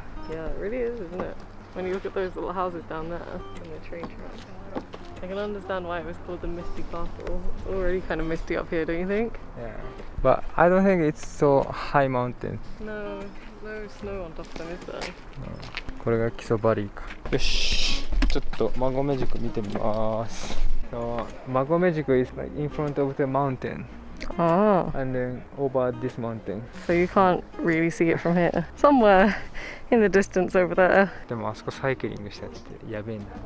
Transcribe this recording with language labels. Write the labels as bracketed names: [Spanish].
[English] Yeah, it really is, isn't it? When you look at those little houses down there and the train tracks. I can understand why it was called the Misty Castle. Already kind of misty up here, don't you think? Yeah. But I don't think it's so high mountain. No, no snow on top of them, is there? No. [Japanese] これが基礎バリーか。よし、ちょっと馬込塾見てみます。 [English] 馬込塾 is like in front of the mountain. Ah. And then over this mountain. So you can't really see it from here. Somewhere in the distance over there. [Japanese] でもあそこサイクリングしたってやべえな。